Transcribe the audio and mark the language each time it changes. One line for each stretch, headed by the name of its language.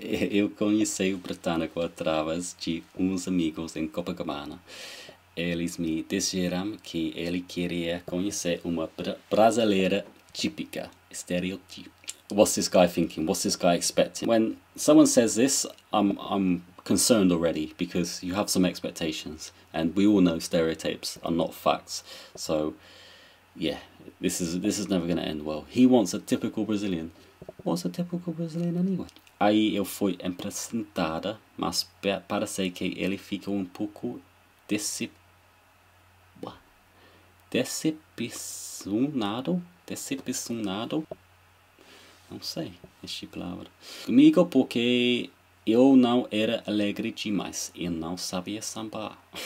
Portuguese: Eu conheci o britânico através de uns amigos em Copacabana. Eles me disseram que ele queria conhecer uma brasileira típica, estereotipo.
English: What's this guy thinking? What's this guy expecting? When someone says this, I'm concerned already because you have some expectations and we all know stereotypes are not facts. So, yeah, this is never going to end well. He wants a typical Brazilian. What's a typical Brazilian anyway?
Portuguese: Aí eu fui apresentada, mas parece que ele fica pouco decepcionado, não sei esta palavra, comigo porque eu não era alegre demais e não sabia sambar.